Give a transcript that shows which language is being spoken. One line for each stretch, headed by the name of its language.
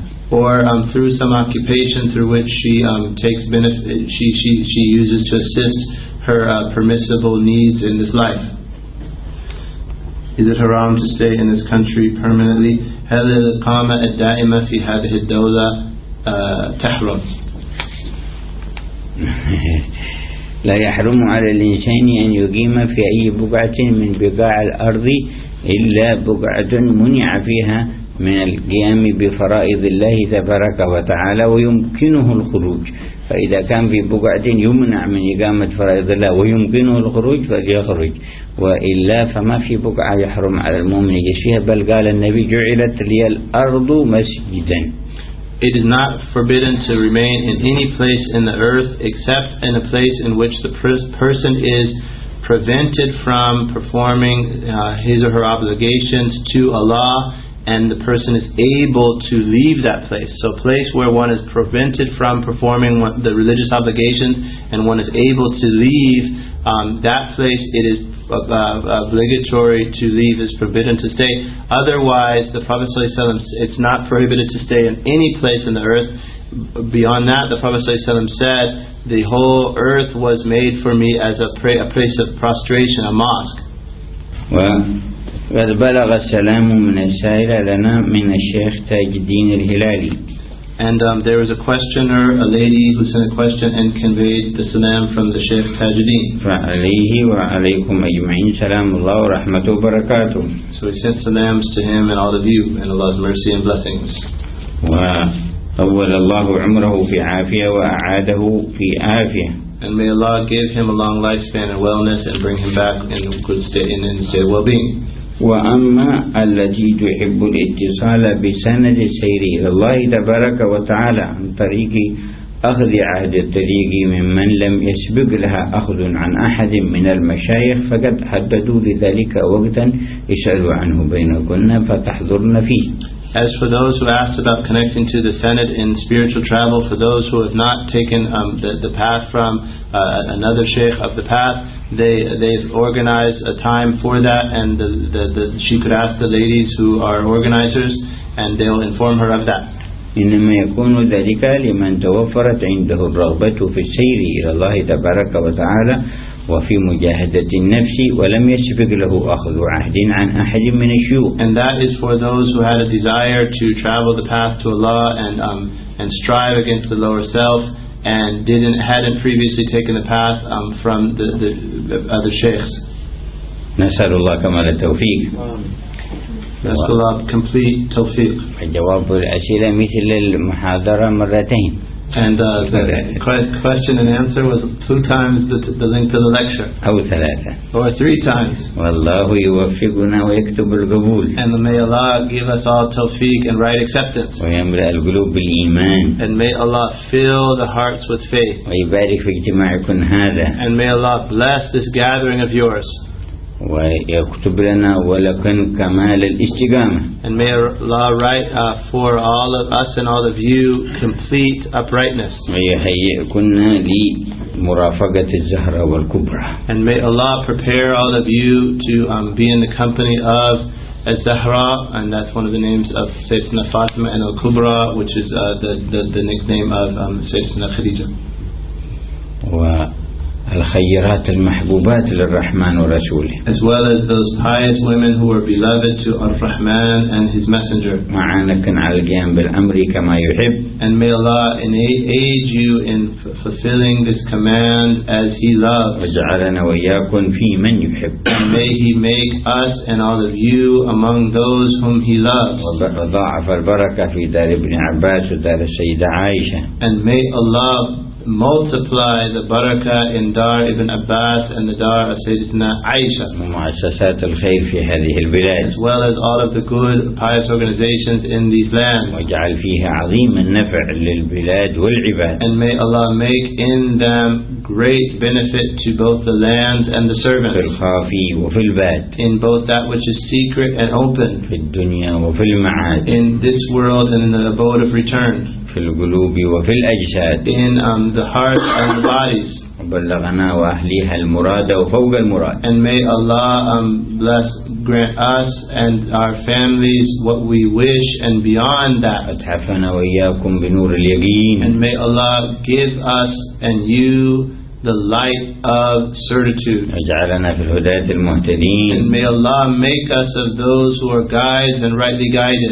English: Or through some occupation through which she takes benefit, she uses to assist her permissible needs in this life. Is it haram to stay in this country permanently?
Arabic: هل الإقامة الدائمة في هذه الدولة تحرم؟ لا يحرم على الإنسان أن يقيم في أي بقعة من بقاع الأرض إلا بقعة منع فيها من القيام بفرائض الله تبارك وتعالى ويمكنه الخروج. فإذا كان في بقعة يمنع من إقامة فرائض الله ويمكنه الخروج فليخرج، وإلا فما في بقعة يحرم على المؤمن يشيها، بل قال النبي جعلت لي الأرض مسجدا.
English: It is not forbidden to remain in any place in the earth except in a place in which the person is prevented from performing his or her obligations to Allah, and the person is able to leave that place. So a place where one is prevented from performing the religious obligations and one is able to leave that place, it is obligatory to leave, is forbidden to stay. Otherwise, the Prophet Sallallahu Alaihi Wasallam, it's not prohibited to stay in any place in the earth. Beyond that, the Prophet Sallallahu Alaihi Wasallam said, the whole earth was made for me as a place of prostration, a mosque. Well,
Arabic: قد بلغ السلام من السائل لنا من الشيخ تاج الدين الهلالي.
English: And there was a questioner, a lady who sent a question and conveyed the salam from the Sheikh Taj al-Din.
Arabic: فعليه وعليكم أجمعين سلام الله ورحمة وبركاته.
English: So we sent salams to him and all of you and Allah's mercy and blessings.
Arabic: وطول الله عمره في عافية وأعاده في عافية.
English: And may Allah give him a long lifespan and wellness and bring him back in good state and in state of well-being.
Arabic: وأما الذي يحب الاتصال بسند السير إلى الله تبارك وتعالى عن طريق أخذ عهد الطريق ممن لم يسبق لها أخذ عن أحد من المشايخ فقد حددوا لذلك وقتا اسألوا عنه بينكن فتحضرن فيه.
English: As for those who asked about connecting to the Senate in spiritual travel, for those who have not taken the path from another sheikh of the path, they've organized a time for that, and she could ask the ladies who are organizers, and they'll inform her of that.
Arabic: إنما يكون ذلك لمن توفرت عنده الرغبة في السير إلى الله تبارك وتعالى وفي مجاهدة النفس ولم يسبق له أخذ عهد عن أحد من الشيوخ.
English: And that is for those who had a desire to travel the path to Allah and strive against the lower self and hadn't previously taken the path from the other sheikhs.
Arabic: نسأل الله كمال التوفيق. نسأل الله
English: complete
Arabic: توفيق. الجواب الأسئلة مثل المحاضرة مرتين.
English: And the question and answer was two times the length of the lecture.
Arabic: أو ثلاثة.
English: Or three times.
Arabic: والله يوفقنا ويكتب القبول.
English: And may Allah give us all tawfiq and right acceptance.
Arabic: ويملأ القلوب بالإيمان.
English: And may Allah fill the hearts with faith.
Arabic: ويبارك في اجتماعكم هذا.
English: And may Allah bless this gathering of yours.
Arabic: ويكتب لنا ولكن كمال الاستقامة.
English: And may Allah write for all of us and all of you complete uprightness.
Arabic: ويهيئكن لمرافقة الزهرة والكبرى.
English: And may Allah prepare all of you to be in the company of Az-Zahra, and that's one of the names of Sayyidina Fatima and Al-Kubra, which is the nickname of Sayyidina Khadija.
Arabic: و الخيرات المحبوبات للرحمن ورسوله.
English: As well as those pious women who are beloved to Ar-Rahman and His Messenger.
Arabic: معانكن على القيام بالأمر كما يحب.
English: And may Allah aid you in fulfilling this command as He loves.
Arabic: وجعلنا وياكن في من يحب.
English: And may He make us and all of you among those whom He loves.
Arabic: وضاعف البركة في دار ابن عباس ودار السيدة عائشة.
English: And may Allah multiply the barakah in Dar Ibn Abbas and the Dar of Sayyidina Aisha,
Arabic: مؤسسات الخير في هذه البلاد,
English: as well as all of the good pious organizations in these lands.
Arabic: واجعل فيها عظيم النفع للبلاد والعباد.
English: And may Allah make in them great benefit to both the lands and the servants.
Arabic: في الخافي وفي الباد.
English: In both that which is secret and open.
Arabic: في الدنيا وفي المعاد.
English: In this world and in the abode of return.
Arabic: في القلوب وفي الأجساد.
English: In the hearts and the bodies.
Arabic: وبلغنا وأهليها المراد وفوق المراد.
English: And may Allah bless, grant us and our families what we wish and beyond that.
Arabic: أتحفنا وإياكم بنور اليقين.
English: And may Allah give us and you the light of certitude.
Arabic: أجعلنا في الهداة المهتدين.
English: And may Allah make us of those who are guides and rightly guided.